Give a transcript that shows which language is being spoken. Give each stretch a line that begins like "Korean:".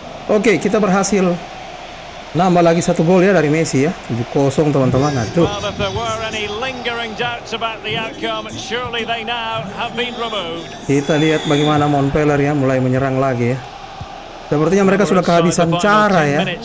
Indonesian: Oke, kita berhasil nambah lagi satu gol ya dari Messi ya. 7-0 teman-teman. Aduh.
English: Well, if there were any lingering doubts about the outcome, surely they now have been removed.
Indonesian: Kita lihat bagaimana Montpellier ya mulai menyerang lagi ya. Sepertinya mereka sudah kehabisan cara ya.